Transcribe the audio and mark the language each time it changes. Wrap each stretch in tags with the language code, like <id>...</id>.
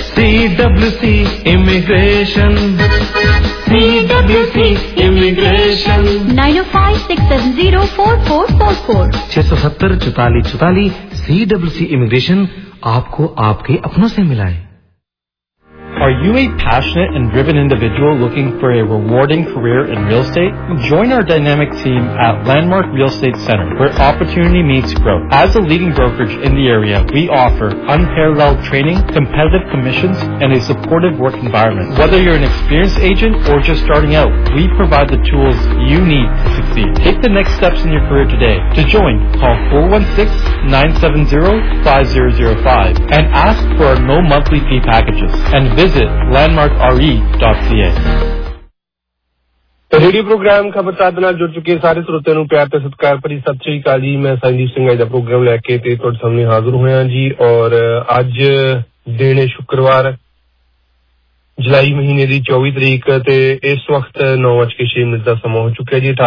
<hi>CWC immigration 9056704444 670-44-44 CWC immigration आपको आपके अपनों से मिलाए.</hi> <en>Are you a passionate and driven individual looking for a rewarding career in real estate? Join our dynamic team at Landmark Real Estate Center, where opportunity meets growth. As a leading brokerage in the area, we offer unparalleled training, competitive commissions, and a supportive work environment. Whether you're an experienced agent or just starting out, we provide the tools you need to succeed. Take the next steps in your career today. To join, call 416-970-5005 and ask for our no monthly fee packages. And visit landmarkre.ca.</en> <pa>Radio programme ਖਬਰਤਾਰ ਦੇ ਨਾਲ ਜੁੜ ਚੁੱਕੇ ਸਾਰੇ ਸਰੋਤਿਆਂ ਨੂੰ ਪਿਆਰ ਤੇ ਸਤਿਕਾਰ ਭਰੀ ਸਤਿ ਸ੍ਰੀ ਅਕਾਲ ਜੀ. ਮੈਂ ਸੰਦੀਪ ਸਿੰਘ ਦਾ ਪ੍ਰੋਗਰਾਮ ਲੈ ਕੇ ਤੇ ਤੁਹਾਡੇ ਸਾਹਮਣੇ ਹਾਜ਼ਰ ਹੋਇਆ ਜੀ. ਔਰ ਅੱਜ ਦਿਨ ਸ਼ੁੱਕਰਵਾਰ ਜੁਲਾਈ ਮਹੀਨੇ ਦੀ 24 ਤਰੀਕ ਤੇ ਇਸ ਵਕਤ 9:06 ਦਾ ਸਮਾਂ ਹੋ ਚੁੱਕਿਆ ਜੀ.</pa>